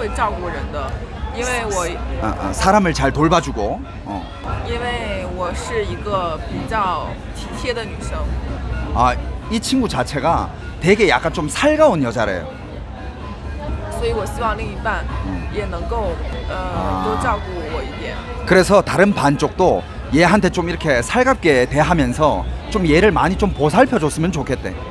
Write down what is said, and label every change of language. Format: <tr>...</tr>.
<zh>就是你觉得能跟你合得来的那男人是什么样的男人？稍微具体一点。我觉得是比较会照顾人的，因为我，嗯嗯， 사람을</zh> <ko>잘 돌봐주고.</ko> <zh>因为我是一个比较体贴的女生。</zh> <ko>아, 이 친구 자체가 되게 약간 좀 살가운 여자래요.</ko> <zh>所以我希望另一半也能够多照顾我一点。</zh> <ko>그래서 다른 반쪽도 얘한테 좀 이렇게 살갑게 대하면서 좀 얘를 많이 좀 보살펴줬으면 좋겠대.</ko>